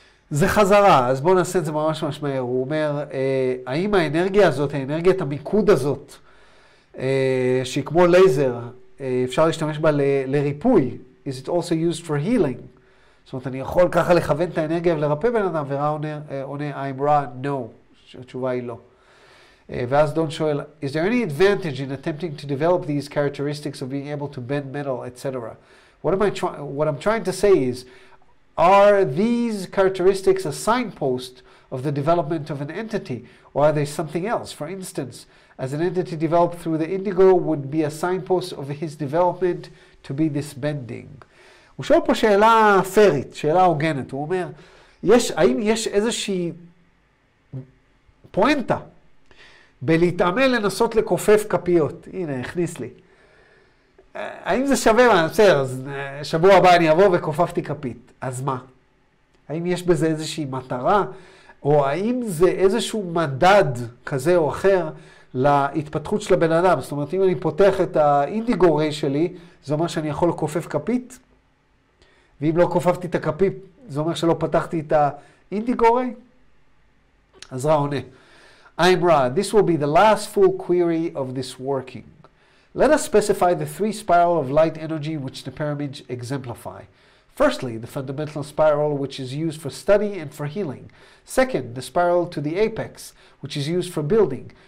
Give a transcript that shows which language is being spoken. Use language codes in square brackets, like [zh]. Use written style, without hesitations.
[he] זה חזרה, אז בואו נעשה את זה ממש ממש מהר. הוא אומר, האם האנרגיה הזאת, האנרגיית המיקוד הזאת, שהיא כמו לייזר, אפשר להשתמש בה לריפוי, [en] is it also used for healing? [he] זאת אומרת, אני יכול ככה לכוון את האנרגיה ולרפא בן אדם, ורע עונה, [en] I'm raw, no. [he] התשובה היא לא. ואז דון שואל, [en] is there any advantage in attempting to develop these characteristics of being able to bend metal, etc.? What I'm trying to say is, are these characteristics a signpost of the development of an entity, or are they something else? For instance, as an entity developed through the indigo would be a signpost of his development to be this bending. [he] הוא שואל פה שאלה פרית, שאלה הוגנת. הוא אומר, האם יש איזושהי פואנטה בלהתאמן לנסות לכופף כפיות? הנה, הכניס לי. האם זה שווה מה? בסדר, אז שבוע הבא אני אבוא וכופפתי כפית. אז מה? האם יש בזה איזושהי מטרה? או האם זה איזשהו מדד כזה או אחר להתפתחות של הבן אדם? זאת אומרת, אם אני פותח את האינדיגו ריי שלי, זה אומר שאני יכול לכופף כפית? ואם לא כופפתי את הכפית, זה אומר שלא פתחתי את האינדיגו ריי? אז רע עונה. [en] I'm Ra. This will be the last full query of this working. Let us specify the three spiral of light energy which the pyramids exemplify. Firstly, the fundamental spiral which is used for study and for healing. Second, the spiral to the apex which is used for building.